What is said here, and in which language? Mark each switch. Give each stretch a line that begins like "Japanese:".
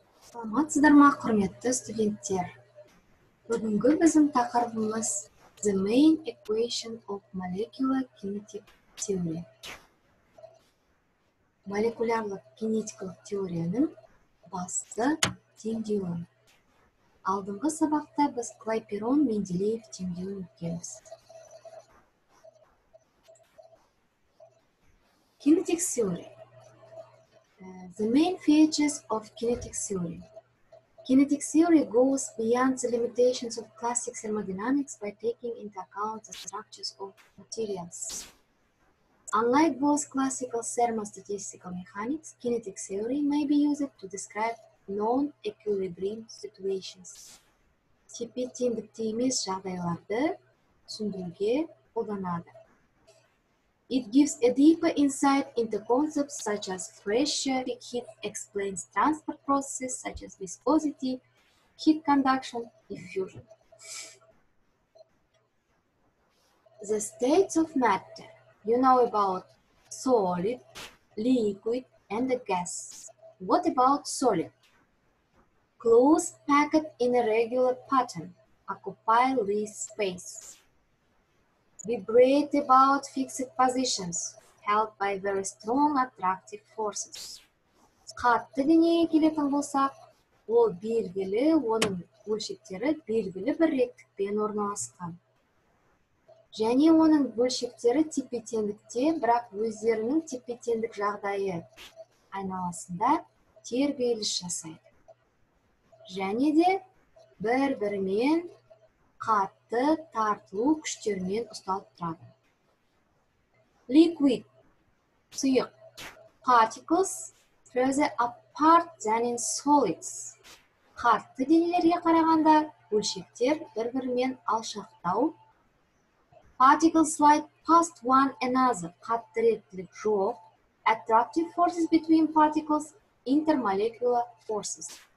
Kazakh: Саламатсыздар ма, құрметті студенттер! Бүгінгі біздің тақырыбымыз
English: The Main Equation of Molecular Kinetic Theory.
Kazakh: Молекулярлық кинетикалық теорияның басты теңдеуі. Алдыңғы сабақта біз Клайперон-Менделеев теңдеуін өткеміз.
English: Kinetic Theory. The main features of kinetic theory. Kinetic theory goes beyond the limitations of classic thermodynamics by taking into account the structures of materials. Unlike both classical thermostatistical mechanics, kinetic theory may be used to describe non-equilibrium situations.
Kazakh: Тепе-теңдікте емес жағдайларды түсіндіруге қолданады.
English: It gives a deeper insight into concepts such as pressure, heat explains transport processes such as viscosity, heat conduction, diffusion. The states of matter. You know about solid, liquid, and the gas. What about solid? Clothes packed in a regular pattern occupy less space. Vibrate about fixed positions, held by very strong attractive forces.
Kazakh: Қатты дүниеге келетін болсақ, ол белгілі, оның бөлшектері белгілі бір реттікпен орналасқан. Және оның бөлшектері тепе-теңдікте, бірақ өздерінің тепе-теңдік жағдайы айналасында тербеліс жасайды. Және де бір-бірімен қат. Тартылу күштермен ұсталып тұрады.
English: Liquid, сұйық, particles further apart than in solids.
Kazakh: Қатты денелерге қарағанда бөлшектер бір-бірімен алшақтау.
English: Particles slide past one another,
Kazakh: қатты реттілік жоқ.
English: Attractive forces between particles, intermolecular forces.